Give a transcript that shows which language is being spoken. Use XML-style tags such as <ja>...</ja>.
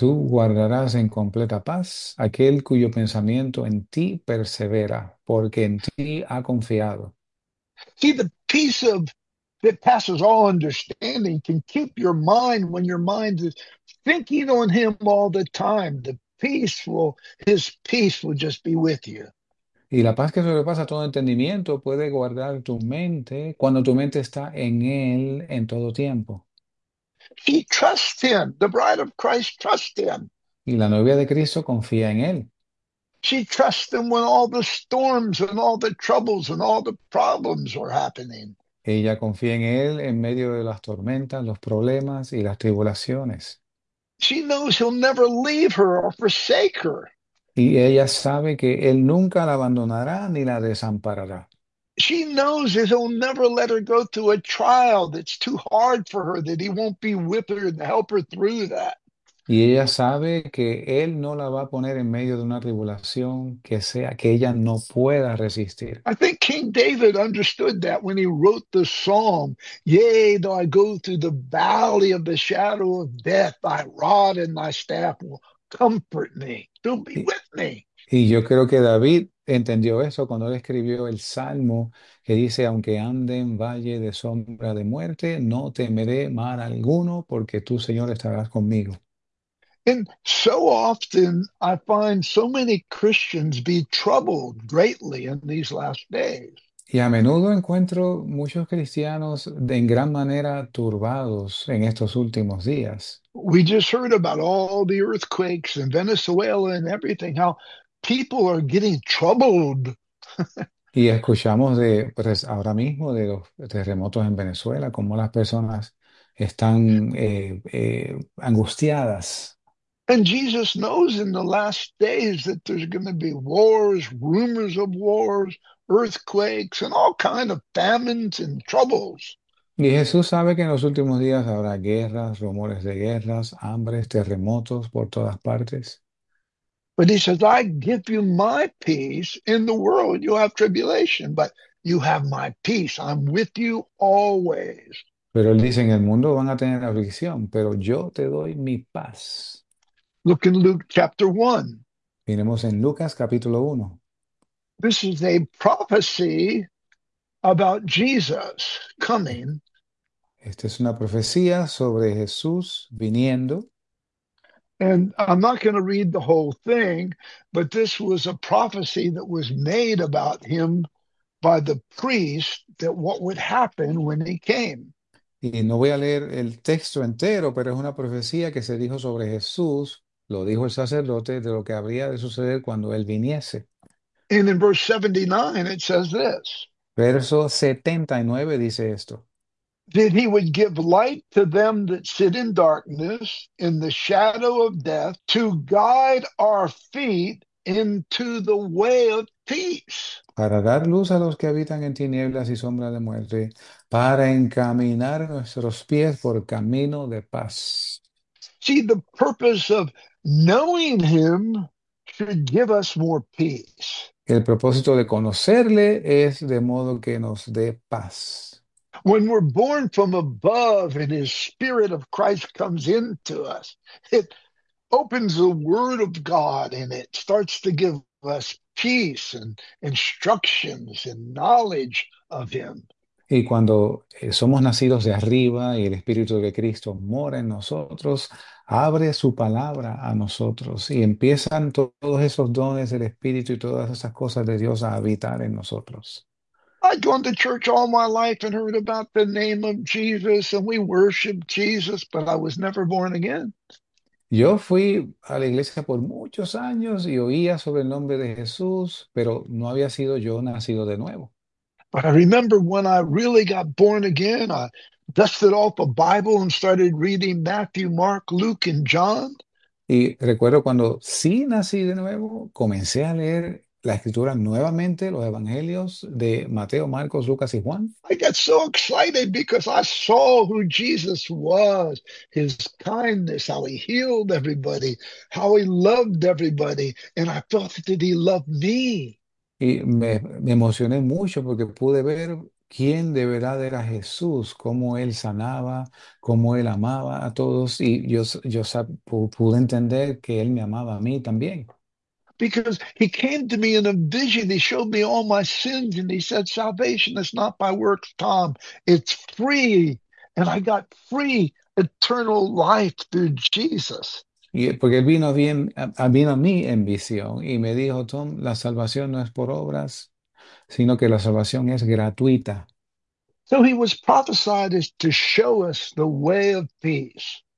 <es>Tú guardarás en completa paz aquel cuyo pensamiento en ti persevera, porque en ti ha confiado.</es> <en>See, the peace of that passes all understanding can keep your mind when your mind is thinking on him all the time. His peace will just be with you.</en> <es>Y la paz que sobrepasa todo entendimiento puede guardar tu mente cuando tu mente está en él en todo tiempo.</es> <en>He trusts him. The bride of Christ trusts him.</en> <es>Y la novia de Cristo confía en él.</es> <en>She trusts him when all the storms and all the troubles and all the problems are happening.</en> <es>Ella confía en él en medio de las tormentas, los problemas y las tribulaciones.</es> <en>She knows he'll never leave her or forsake her.</en> <es>Y ella sabe que él nunca la abandonará ni la desamparará.</es> <en>She knows that he'll never let her go through a trial that's too hard for her, that he won't be with her and help her through that.</en> <es>Y ella sabe que él no la va a poner en medio de una tribulación que sea que ella no pueda resistir.</es> <en>I think King David understood that when he wrote the psalm, yea, though I go through the valley of the shadow of death, thy rod and thy staff will comfort me. They'll be with me.</en> <es>Y yo creo que David entendió eso cuando él escribió el salmo que dice, aunque ande en valle de sombra de muerte, no temeré mal alguno porque tú, Señor, estarás conmigo.</es> <en>And so often I find so many Christians be troubled greatly in these last days.</en> <es>Y a menudo encuentro muchos cristianos en gran manera turbados en estos últimos días.</es> <en>We just heard about all the earthquakes in Venezuela and everything, how people are getting troubled.</en> <es>Y escuchamos de, pues ahora mismo, de los terremotos en Venezuela, cómo las personas están angustiadas.</es> <en>And Jesus knows in the last days that there's going to be wars, rumors of wars, earthquakes, and all kind of famines and troubles.</en> <es>Y Jesús sabe que en los últimos días habrá guerras, rumores de guerras, hambres, terremotos por todas partes.</es> <en>But he says, I give you my peace. In the world, you have tribulation, but you have my peace. I'm with you always.</en> <es>Pero él dice, en el mundo van a tener aflicción, pero yo te doy mi paz.</es> <en>Look in Luke chapter 1.</en> <es>Miremos en Lucas capítulo 1.</es> <en>This is a prophecy about Jesus coming.</en> <es>Esta es una profecía sobre Jesús viniendo.</es> <en>And I'm not going to read the whole thing, but this was a prophecy that was made about him by the priest that what would happen when he came.</en> <es>Y no voy a leer el texto entero, pero es una profecía que se dijo sobre Jesús, lo dijo el sacerdote, de lo que habría de suceder cuando él viniese.</es> <en>And in verse 79, it says this:</en> <es>Verso 79 dice esto.</es> <en>that he would give light to them that sit in darkness, in the shadow of death, to guide our feet into the way of peace.</en> <es>Para dar luz a los que habitan en tinieblas y sombra de muerte, para encaminar nuestros pies por camino de paz.</es> <en>See, the purpose of knowing him should give us more peace.</en> <es>El propósito de conocerle es de modo que nos dé paz.</es> <en>When we're born from above and his spirit of Christ comes into us, it opens the word of God and it starts to give us peace and instructions and knowledge of him.</en> <es>Y cuando somos nacidos de arriba y el Espíritu de Cristo mora en nosotros, abre su palabra a nosotros y empiezan to todos esos dones del Espíritu y todas esas cosas de Dios a habitar en nosotros.</es> <en>I'd gone to church all my life and heard about the name of Jesus and we worshiped Jesus, but I was never born again.</en> <es>Yo fui a la iglesia por muchos años y oía sobre el nombre de Jesús, pero no había sido yo nacido de nuevo.</es> <en>But I remember when I really got born again, I dusted off a Bible and started reading Matthew, Mark, Luke, and John.</en> <es>Y recuerdo cuando sí nací de nuevo, comencé a leer la escritura nuevamente, los evangelios de Mateo, Marcos, Lucas y Juan.</es> <en>I got so excited because I saw who Jesus was, his kindness, how he healed everybody, how he loved everybody, and I felt that he loved me.</en> <es>Y me emocioné mucho porque pude ver quién de verdad era Jesús, cómo él sanaba, cómo él amaba a todos, y yo pude entender que él me amaba a mí también.</es> <en>Because he came to me in a vision, he showed me all my sins, and he said, salvation is not by works, Tom, it's free. And I got free eternal life through Jesus.</en> <es>Y porque él vino bien, vino a mí en visión y me dijo, Tom, la salvación no es por obras, sino que la salvación es gratuita.</es> <en>So he was prophesied as to show us the way of peace.</en>